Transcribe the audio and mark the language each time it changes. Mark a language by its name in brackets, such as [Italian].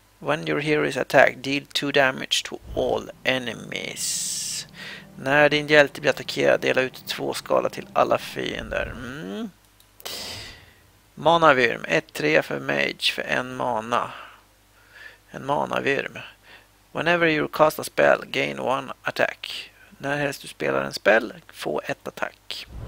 [English] When your hero is attacked, deal two damage to all enemies. [Swedish] När din hjälte blir attackerad, dela ut två skala till alla fiender. Manavyrm, 1-3 för mage, för en mana. En manavyrm. [English] Whenever you cast a spell, gain one attack. [Swedish] När helst du spelar en spell, få ett attack.